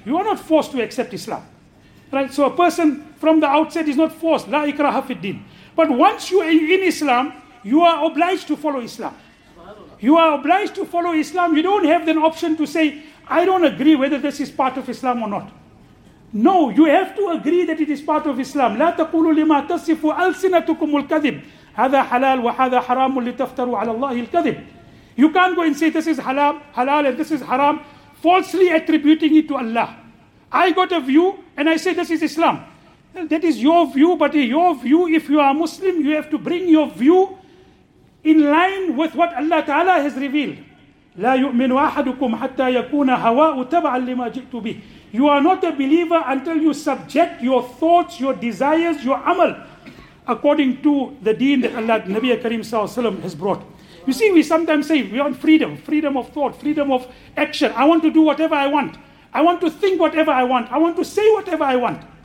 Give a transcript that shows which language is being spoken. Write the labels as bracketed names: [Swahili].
[English] You are not forced to accept Islam. Right? So a person from the outset is not forced. [Arabic] La ikraha fid deen. [English] But once you are in Islam, you are obliged to follow Islam. You are obliged to follow Islam. You don't have the option to say, I don't agree whether this is part of Islam or not. No, you have to agree that it is part of Islam. [Arabic] لا تقولوا لما تصف ألسنتكم الكذب هذا حلال وهذا حرام لتفتروا على الله الكذب. [English] You can't go and say this is halal and this is haram, falsely attributing it to Allah. I got a view and I say this is Islam. That is your view, but your view, if you are Muslim, you have to bring your view in line with what Allah Ta'ala has revealed. [Arabic] لا يؤمن أحدكم حتى يكون هواء تبعا لما جئت به. [English] You are not a believer until you subject your thoughts, your desires, your amal according to the deen that Allah, Nabi Kareem Sallallahu Alaihi Wasallam has brought. You see, we sometimes say we want freedom of thought, freedom of action. I want to do whatever I want. I want to think whatever I want. I want to say whatever I want.